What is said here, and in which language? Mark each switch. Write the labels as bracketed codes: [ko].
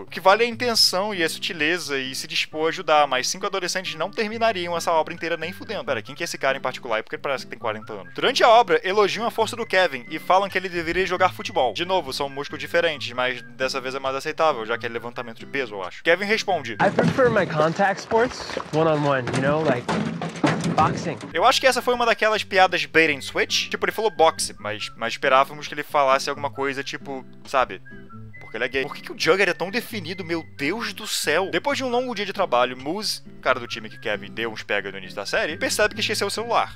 [pt] O que vale a intenção e a sutileza e se dispor a ajudar, mas 5 adolescentes não terminariam essa obra inteira nem fudendo. Pera, quem que é esse cara em particular? É porque ele parece que tem 40 anos. Durante a obra, elogiam a força do Kevin e falam que ele deveria jogar futebol. De novo, são músculos diferentes, mas dessa vez é mais aceitável, já que é levantamento de peso, eu acho. Kevin responde: [en] I prefer my contact sports one-on-one, you know, like boxing. [pt] Eu acho que essa foi uma daquelas piadas bait and switch. Tipo, ele falou boxe, mas esperávamos que ele falasse alguma coisa, tipo, sabe? Porque ele é gay. Por que que o Jugger é tão definido, meu Deus do céu? Depois de um longo dia de trabalho, Moose, cara do time que Kevin deu uns pega no início da série, percebe que esqueceu o celular.